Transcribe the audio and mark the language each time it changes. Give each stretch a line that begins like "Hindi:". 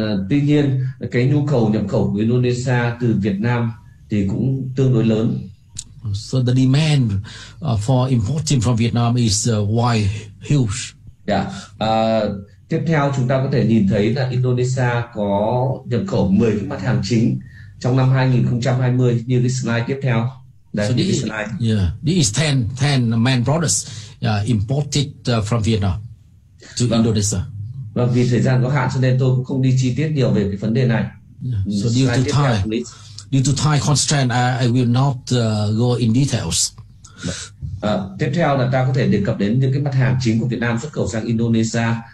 Vietnamese: Tuy nhiên cái nhu cầu nhập khẩu của Indonesia từ Việt Nam thì cũng tương đối lớn.
English: So the demand for importing from Vietnam is quite huge. Yeah.
Vietnamese: Tiếp theo chúng ta có thể nhìn thấy là Indonesia có nhập khẩu 10 cái mặt hàng chính trong năm 2020 như cái slide tiếp theo. Đây,
English: so this, slide. Yeah, this is 10 main products imported from Vietnam to Indonesia.
Vietnamese: Vâng, vì thời gian có hạn cho nên tôi cũng không đi chi tiết nhiều về cái vấn đề này.
English: Yeah. So due to time constraint, I will not go in details.
Vietnamese: Tiếp theo là ta có thể đề cập đến những cái mặt hàng chính của Việt Nam xuất khẩu sang Indonesia.